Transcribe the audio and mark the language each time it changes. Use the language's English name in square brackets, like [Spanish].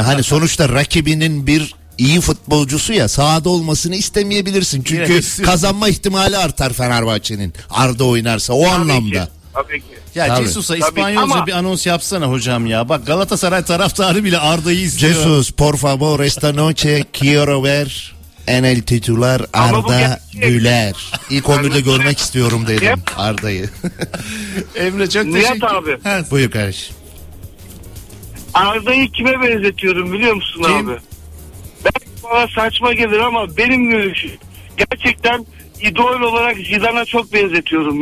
[Turkish] Hani sonuçta rakibinin bir... İyi futbolcusu ya sahada olmasını istemeyebilirsin. Çünkü kazanma ihtimali artar Fenerbahçe'nin Arda oynarsa o tabii anlamda. Ki, Tabii ki. Ya Jesus'a İspanyolca ama... bir anons yapsana hocam ya. Bak Galatasaray taraftarı bile Arda'yı istiyor. [Spanish] Jesus, por favor, esta noche quiero ver en el titular Arda Güler. [Turkish] İlk 11'de görmek istiyorum dedim Arda'yı. Emre çok teşekkür ederim. Nihat abi. Evet. Buyur kardeş. Arda'yı kime benzetiyorum biliyor musun abi? Belki bana saçma gelir ama benim görüşüm. Gerçekten idol olarak Zidane'a çok benzetiyorum.